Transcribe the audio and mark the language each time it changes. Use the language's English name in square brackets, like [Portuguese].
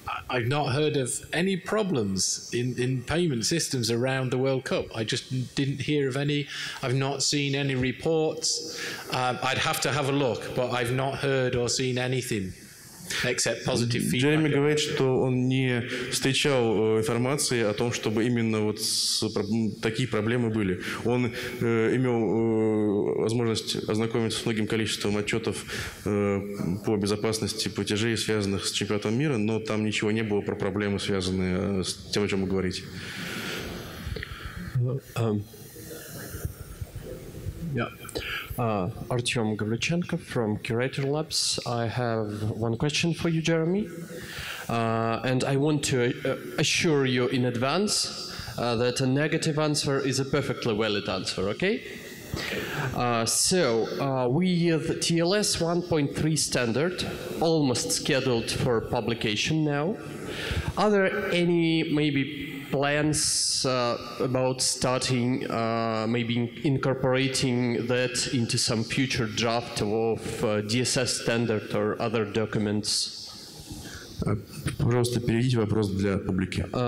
[English] I've not heard of any problems in payment systems around the World Cup. I just didn't hear of any. I've not seen any reports. I'd have to have a look, but I've not heard or seen anything except positive feedback. [Russian] Джереми говорит, что он не встречал информации о том, чтобы именно вот такие проблемы были. Он имел возможность ознакомиться с многим количеством отчетов по безопасности платежей, связанных с чемпионатом мира, но там ничего не было про проблемы, связанные с тем, о чем вы говорите. [English] Artyom Gavlyuchenko from Curator Labs. I have one question for you, Jeremy. And I want to assure you in advance that a negative answer is a perfectly valid answer, okay? With TLS 1.3 standard almost scheduled for publication now, are there any maybe plans about starting, maybe incorporating that into some future draft of DSS standard or other documents? [Russian] Пожалуйста, переведите вопрос для публики.